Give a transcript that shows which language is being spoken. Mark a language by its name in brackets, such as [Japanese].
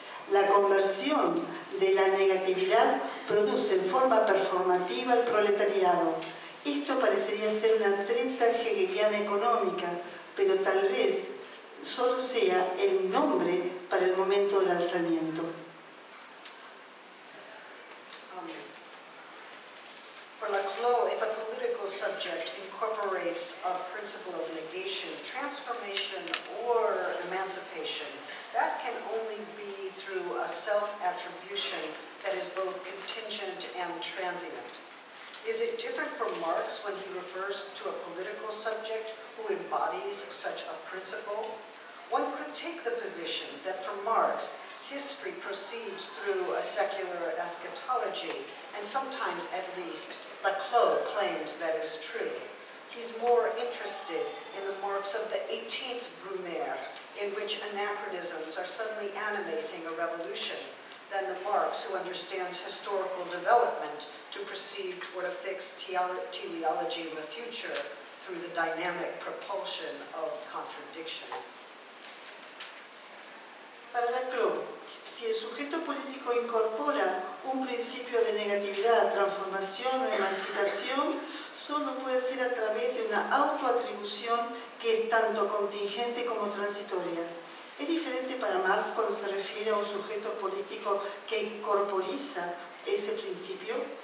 [Spanish] La conversión de la negatividad produce en forma performativa el proletariado. Esto parecería ser una treta hegeliana económica, pero tal vez solo sea el nombre para el momento del alzamiento. [English] For Laclau, if a political subject incorporates a principle of negation, transformation, or emancipation, that can only be through a self-attribution that is both contingent and transient. Is it different from Marx when he refers to a political subject who embodies such a principle? One could take the position that for Marx, history proceeds through a secular eschatology, and sometimes, at least, Laclau claims that is true. He's more interested in the Marx of the 18th Brumaire, in which anachronisms are suddenly animating a revolution, than the Marx who understands historical development to proceed toward a fixed teleology in the future through the dynamic propulsion of contradiction. [Spanish] Para Laclau, si el sujeto político incorpora un principio de negatividad, transformación o emancipación, solo puede ser a través de una autoatribución que es tanto contingente como transitoria. Es diferente para Marx cuando se refiere a un sujeto político que incorporiza ese principio.